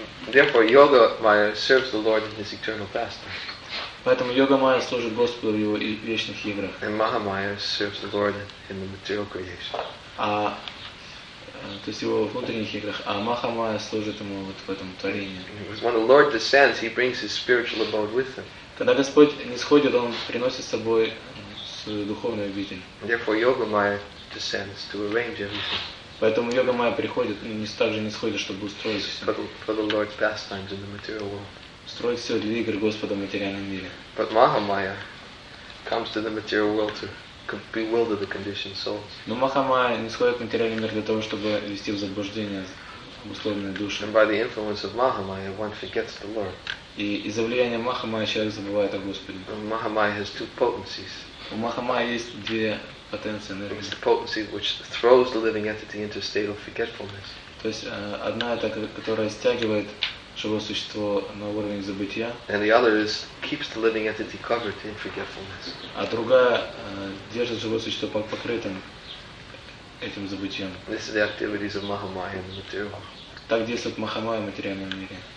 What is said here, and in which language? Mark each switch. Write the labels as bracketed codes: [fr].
[en] Therefore, yoga maya serves the Lord in his eternal pastimes. [ru] Поэтому йога майя служит Господу в его вечных играх. [en] And maha maya serves the Lord in the material creation. [ru] А то есть его внутренних играх, а маха майя служит ему вот в этом творении. [en] When the Lord descends, he brings his spiritual abode with him. [ru] Когда Господь нисходит, он приносит с собой свою духовную обитель. [en] Therefore, yoga maya descends to arrange everything. [ru] Поэтому йога майя приходит, не так же не сходит, чтобы устроить все. [en] For the Lord's pastimes in the material world. [ru] Строить все для игр Господа в материальном мире. [en] But maha maya comes to the material world to bewilder the conditioned souls. [ru] Но Махамая не сходит в материальный мир для того, чтобы ввести в заблуждение обусловленные души. [en] And by the influence of Mahamaya, one forgets the Lord. [ru] И из-за влияния Махамая человек забывает о Господе. [en] Mahamaya has two potencies. [ru] У Махамая есть две потенции энергии. [en] The potency which throws the living entity into a state of forgetfulness. [ru] То есть одна это, которая стягивает живое существо на уровень забытия. [en] And the other is keeps the living entity covered in forgetfulness. [ru] А другая держит живое существо под покрытым этим забытием. [en] This is the activities of Mahamaya in the material. [ru] Так действует Махамая в материальном мире.